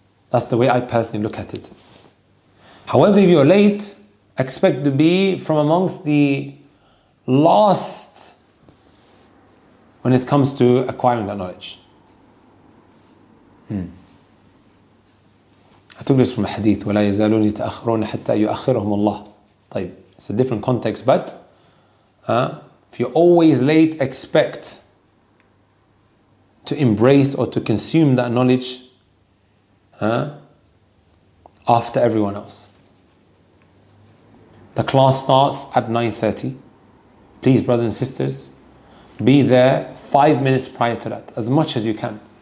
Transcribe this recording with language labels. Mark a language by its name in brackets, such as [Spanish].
[English] That's the way I personally look at it. However, if you're late, expect to be from amongst the last when it comes to acquiring that knowledge. I took this from a hadith, [Arabic] وَلَا يَزَالُونِ يَتَأَخْرُونَ حَتَّى يُؤَخِّرُهُمُ اللَّهِ طيب. [English] It's a different context, but if you're always late, expect to embrace or to consume that knowledge after everyone else. The class starts at 9:30. Please, brothers and sisters, be there 5 minutes prior to that, as much as you can.